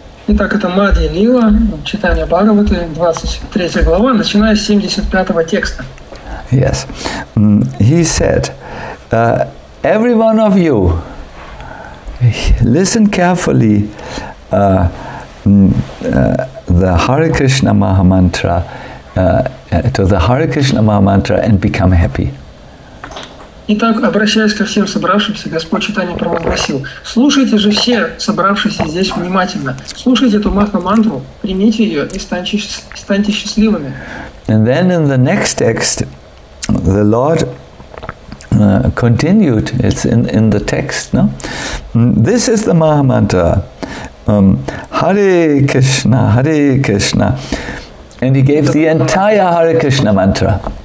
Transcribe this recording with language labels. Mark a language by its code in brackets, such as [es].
[ru] Итак, это Мадья Лила, Чайтанья Бхагавата, 23 глава, начиная с 75 текста. [en] Yes. He said, every one of you, listen carefully the Hare Krishna Maha Mantra to the Hare Krishna Maha Mantra and become happy. [ru] Итак, обращаясь ко всем собравшимся, Господь Чайтанья провозгласил: слушайте же все, собравшиеся здесь, внимательно. Слушайте эту Маха Мантру, примите ее и станьте счастливыми. [en] And then in the next text, the Lord continued, it's in the text, no? This is the Maha Mantra, Hare Krishna, Hare Krishna. And he gave the entire Hare Krishna Mantra.